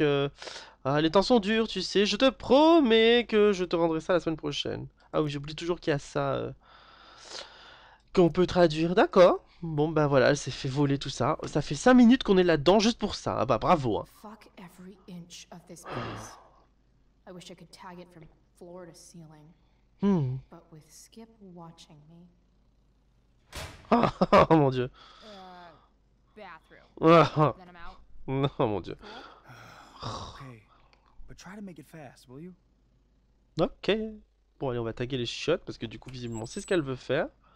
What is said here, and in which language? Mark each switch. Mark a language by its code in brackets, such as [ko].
[fr] Les temps sont durs, tu sais. Je te promets que je te rendrai ça la semaine prochaine. Ah oui, j'oublie toujours qu'il y a ça qu'on peut traduire. D'accord. Bon, ben voilà, elle s'est fait voler tout ça. Ça fait 5 minutes qu'on est là-dedans juste pour ça. Ah bah, bravo. Hein. [en] Fuck every inch of this place. I wish I could tag it from floor to ceiling. But with Skip watching me. [fr] Oh mon dieu. [en] Bathroom. [fr] Oh mon dieu. [en] Okay. But try to make it fast, will you? Ok. [fr] Bon allez, on va taguer les chiottes parce que du coup visiblement c'est ce qu'elle veut faire.